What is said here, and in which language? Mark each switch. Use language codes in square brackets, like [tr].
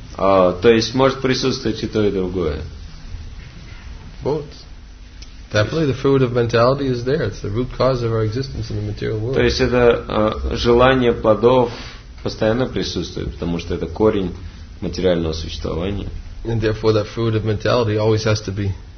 [ru] То есть может присутствовать и то, и другое. [en] Both. Definitely the fruit of mentality is there. It's the root cause of our existence in the material world. [ru] То есть это желание плодов постоянно присутствует, потому что это корень материального существования. [en] And therefore that fruit of mentality always has to be